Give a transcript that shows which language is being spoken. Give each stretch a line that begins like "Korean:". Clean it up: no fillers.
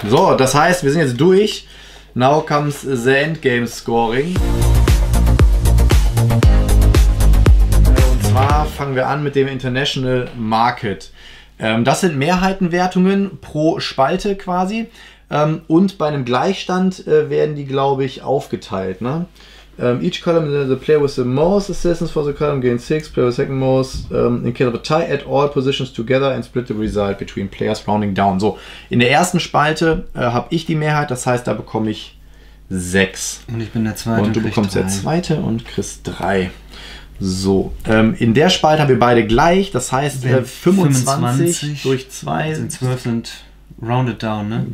German: So, das heißt, wir sind jetzt durch.
English: Now comes the endgame scoring.
German: Und zwar fangen wir an mit dem International Market. Das sind Mehrheitenwertungen pro Spalte quasi. Und bei einem Gleichstand werden die, glaube ich, aufgeteilt. Ne?
English: Each column, the player with the most assistance for the column gains 6, player with the second most, in case of a tie, add all positions together and split the result between players rounding down.
German: So, in der ersten Spalte habe ich die Mehrheit, das heißt, da bekomme ich 6. Und ich bin der Zweite. Und du bekommst 3. Der Zweite und kriegst 3. So, in der Spalte haben wir beide gleich, das heißt, 25 durch 2 sind 12 sind
English: rounded down,
German: ne?